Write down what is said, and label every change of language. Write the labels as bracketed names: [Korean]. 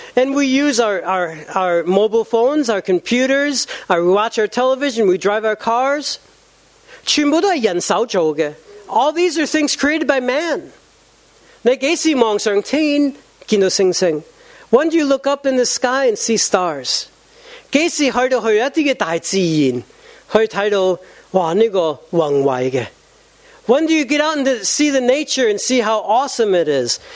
[English] and we use our mobile phones, our computers, we watch our television, we drive our cars. [Chinese] 全部都是人手做的. [English] All these are things created by man. [Chinese] 你几时望上天见到星星? [English] When do you look up in the sky and see stars? [Chinese] 何時去到一些大自然,去看到,哇,這個宏偉的. [English] When do you get out and see the nature and see how awesome it is?